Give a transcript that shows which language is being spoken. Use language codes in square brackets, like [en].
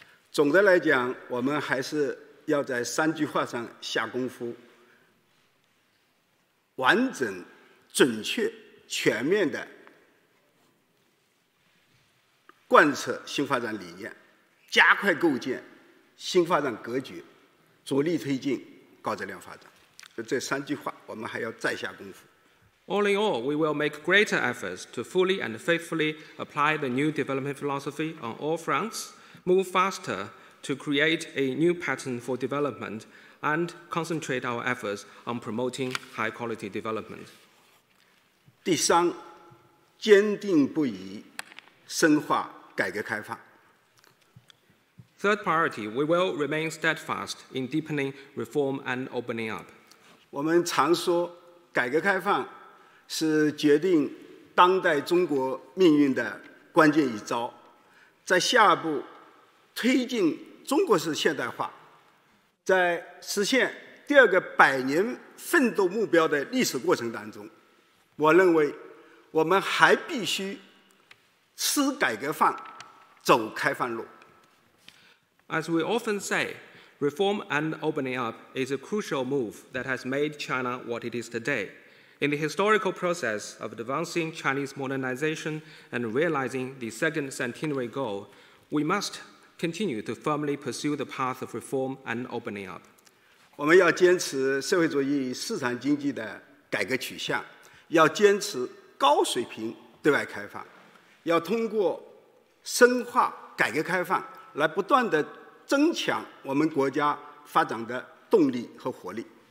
[zh] 总的来讲，我们还是要在三句话上下功夫，完整、准确、全面地贯彻新发展理念，加快构建新发展格局，着力推进高质量发展。这三句话我们还要再下功夫。 [en] All in all, we will make greater efforts to fully and faithfully apply the new development philosophy on all fronts, move faster to create a new pattern for development, and concentrate our efforts on promoting high-quality development. [zh] 第三，坚定不移深化改革开放。 [en] Third priority, we will remain steadfast in deepening reform and opening up. [zh] 我们常说改革开放是决定当代中国命运的关键一招，在下一步推进中国式现代化，在实现第二个百年奋斗目标的历史过程当中，我认为我们还必须吃改革饭，走开放路。 [en] As we often say, reform and opening up is a crucial move that has made China what it is today. In the historical process of advancing Chinese modernization and realizing the second centenary goal, we must continue to firmly pursue the path of reform and opening up. [zh] 我们要坚持社会主义市场经济的改革取向，要坚持高水平对外开放，要通过深化改革开放来不断地增强我们国家发展的动力和活力。